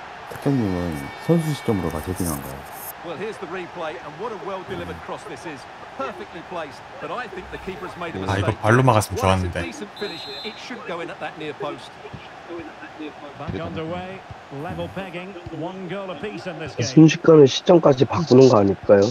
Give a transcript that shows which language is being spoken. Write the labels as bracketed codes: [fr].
[ko] 택견님은 선수 시점으로 가 헤딩한 거야. [en] Well, here's the replay and what a well delivered cross this is. Perfectly placed, but I think the keeper has made a mistake. [ko] 아, 이거 발로 막았으면 좋았는데. [en] It should go in at that near post. Back underway. Level pegging. One goal apiece in this game. [ko] 순식간에 시점까지 바꾸는 거 아닐까요?